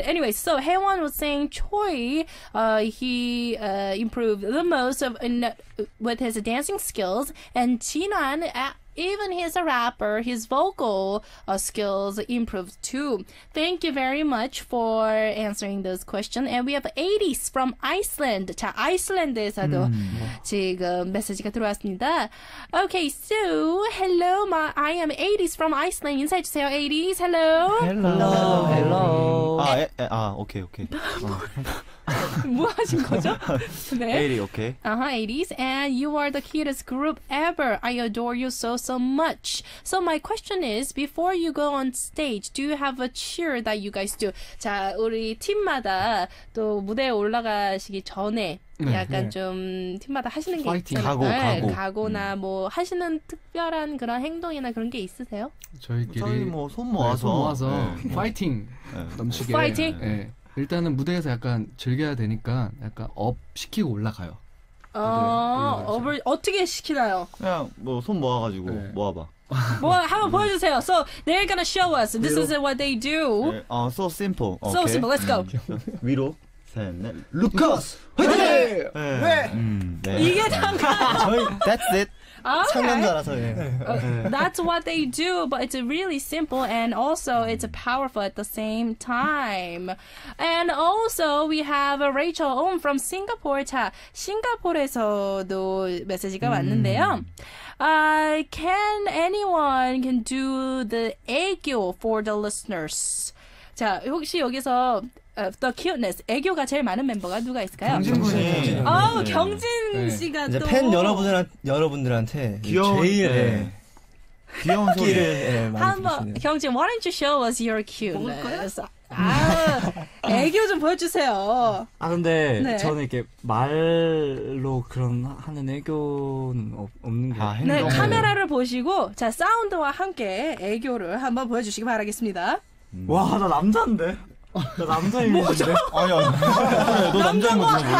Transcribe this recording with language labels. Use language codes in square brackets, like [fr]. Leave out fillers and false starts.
[en] Anyway, so Haewon was saying Choi, he improved the most with his dancing skills, and 진한 even he's a rapper, his vocal skills improved too. Thank you very much for answering those questions. And we have 80s from Iceland. [ko] 자, 아이슬란드에서도 지금 메시지가 들어왔습니다. [en] Okay, so hello, I am 80s from Iceland. [ko] 인사해주세요, 80s. Hello. [en] Hello. Hello. [ko] 아, 오케이, 오케이. 뭐 하신 거죠? 네. 80, okay. [en] Uh-huh, 80s. And you are the cutest group ever. I adore you so, so much. So my question is, before you go on stage, do you have a cheer that you guys do? [ko] 자, 우리 팀마다 또 무대에 올라가시기 전에 네, 약간 네. 좀 팀마다 하시는 게 있잖아요. 가고, 네, 가고. 가고나 뭐 하시는 특별한 그런 행동이나 그런 게 있으세요? 저희끼리 뭐 손 모아서. 네, 손 모아서 네. 파이팅 넘치게. 파이팅? 네. 일단은 무대에서 약간 즐겨야 되니까 약간 업 시키고 올라가요. 아, 업을 어떻게 시키나요? 그냥 뭐 손 모아가지고 네. 모아봐. 뭐 한번 보여주세요. [en] So they're gonna show us. This 위로. is what they do. 네. So simple. Okay. So simple. Let's go. [ko] 위로. 셋, 넷. 루커스! 화이팅! 왜? 네. 네. 이게 단가요? 저희 [en] That's it. [ko] 창년도 okay. 알아서. 네. [en] That's what they do, but it's really simple and also it's powerful at the same time. And also we have Rachel Ohm from Singapore. [ko] 자, 싱가포르에서도 메시지가 왔는데요. [en] Can anyone do the 애교 for the listeners? [ko] 자, 혹시 여기서 [en] the cuteness, [ko] 애교가 제일 많은 멤버가 누가 있을까요? 경진군이. 경진 네. 경진 씨가 네. 또 팬 여러분들한테 귀여운 제일 네. 귀여운 소리를 네, 많이 [en] 한번 경진, why don't you show us your cuteness? [ko] 아, 애교 좀 보여주세요. 아 근데 네. 저는 이렇게 말로 그런 하는 애교는 없는 게 아, 네, 카메라를 보시고 자 사운드와 함께 애교를 한번 보여주시기 바라겠습니다. 와, 나 남자인데. 나 남자인데. 아니야. 너 남자인 거 몰라?